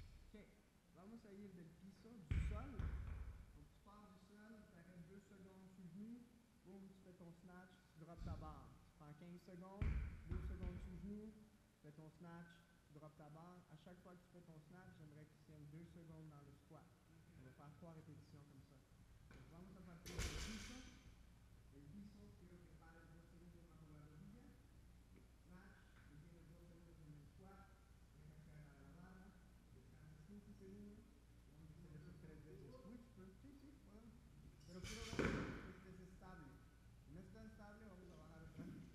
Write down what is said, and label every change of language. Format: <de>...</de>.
<es>Okay. Vamos a ir del piso,</es> <fr>du sol. Donc, tu pars du sol, tu arrêtes 2 secondes sous genou, boum, tu fais ton snatch, tu drops ta barre. Tu prends 15 secondes, 2 secondes sous genou, tu fais ton snatch, tu drops ta barre. À chaque fois que tu fais ton snatch, j'aimerais que tu tiennes 2 secondes dans le squat. On va faire 3 répétitions comme ça.</fr> <es>Vamos a partir del piso. El piso, quiero que pares 2 segundos bajo la rodilla. Snatch, que tienes 2 segundos en el squat. Deja caer a la barra. Descansas 15 segundos. Vamos a hacer eso 3 veces. Switch, pero sí, sí, bueno. Pero quiero ver que estés estable. Si no estás estable, vamos a bajar el rato.</es>